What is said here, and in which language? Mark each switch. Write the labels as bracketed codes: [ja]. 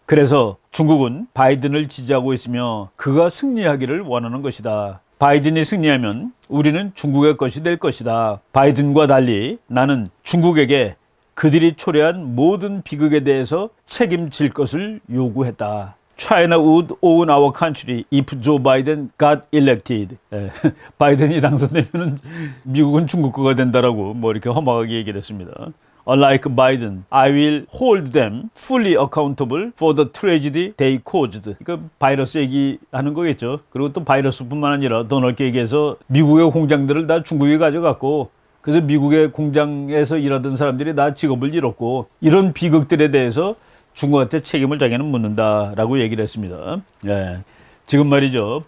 [ko] 그래서 중국은 바이든을 지지하고 있으며 그가 승리하기를 원하는 것이다. 바이든이 승리하면 우리는 중국의 것이 될 것이다. 바이든과 달리 나는 중국에게 그들이 초래한 모든 비극에 대해서 책임질 것을 요구했다. [en] China would own our country if Joe Biden got elected. [ko] 예, 바이든이 당선되면 미국은 중국 거가 된다라고 뭐 이렇게 험하게 얘기를 했습니다. [en] Unlike Biden, I will hold them fully accountable for the tragedy they caused. [ko] 그러니까 바이러스 얘기하는 거겠죠. 그리고 또 바이러스뿐만 아니라 더 넓게 얘기해서 미국의 공장들을 다 중국이 가져갔고, 그래서 미국의 공장에서 일하던 사람들이 다 직업을 잃었고, 이런 비극들에 대해서 중국한테 책임을 자기는 묻는다라고 얘기를 했습니다. 예. 지금 말이죠.